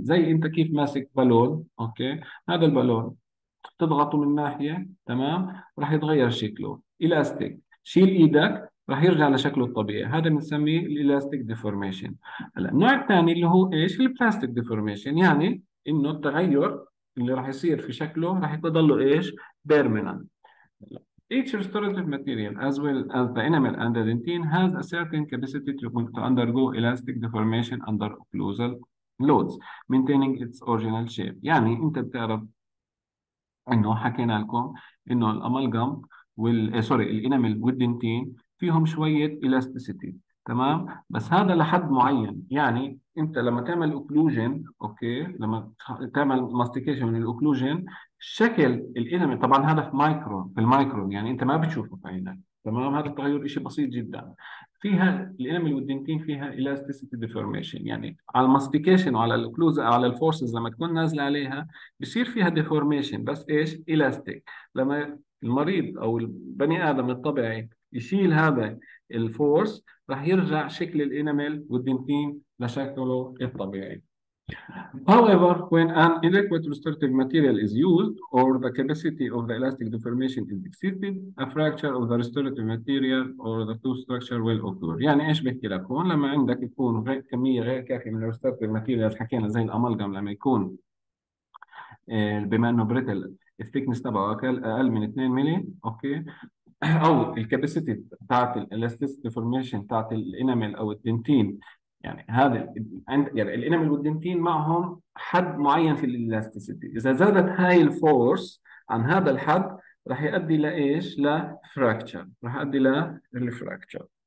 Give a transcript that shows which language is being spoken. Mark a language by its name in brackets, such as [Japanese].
[Arabic] زي انت كيف ماسك بالون، اوكي، هذا البالون تضغطه من ناحيه، تمام، راح يتغير شكله. الاستيك شيل ايدك راح يرجع لشكله الطبيعي، هذا بنسميه الالاستيك ديفورميشن. هلا النوع الثاني اللي هو ايش؟ البلاستيك ديفورميشن، يعني انه التغير اللي راح يصير في شكله راح يضله ايش؟ بيرمننت. [English] Each restorative material as well as the enamel and the dentin has a certain capacity to undergo elastic deformation under occlusal loads, maintaining its original shape. [Arabic] يعني انت بتعرف انه حكينا لكم انه الامالجام وال سوري الانامل والدنتين فيهم شوية إلاستيسيتي، تمام، بس هذا لحد معين. يعني أنت لما تعمل أوكلوجن، أوكي، لما تعمل ماستيكيشن من الأوكلوجن، شكل الإنمي طبعا هذا في مايكرو، في المايكرون، يعني أنت ما بتشوفه في عينك، تمام، هذا التغير شيء بسيط جدا. فيها الانامل والدنتين فيها الاستيسيتي ديفورميشن، يعني على الماستيكيشن وعلى الاوكلوز على الفورسز لما تكون نازله عليها بصير فيها ديفورميشن، بس ايش؟ الاستيك. لما المريض او البني ادم الطبيعي يشيل هذا الفورس راح يرجع شكل الانامل والدنتين لشكله الطبيعي. [English] However, when an inadequate restorative material is used or the capacity of the elastic deformation is exceeded, a fracture of the restorative material or the tooth structure will occur. [Arabic] يعني ايش بحكي لك هون؟ لما عندك يكون غير كميه غير كافيه من restorative materials، حكينا زي الامالجام، لما يكون بما انه بريتل الثيكنس تبعه اقل من 2 ملي، اوكي، او الكاباسيتي بتاعت الالاستيك ديفورميشن بتاعت الانامل او الدنتين، يعني هذا عند يعني الانامل والدنتين معهم حد معين في الالاستيسيتي، اذا زادت هاي الفورس عن هذا الحد راح يؤدي لايش؟ لفراكتشر، راح يؤدي للفراكتشر.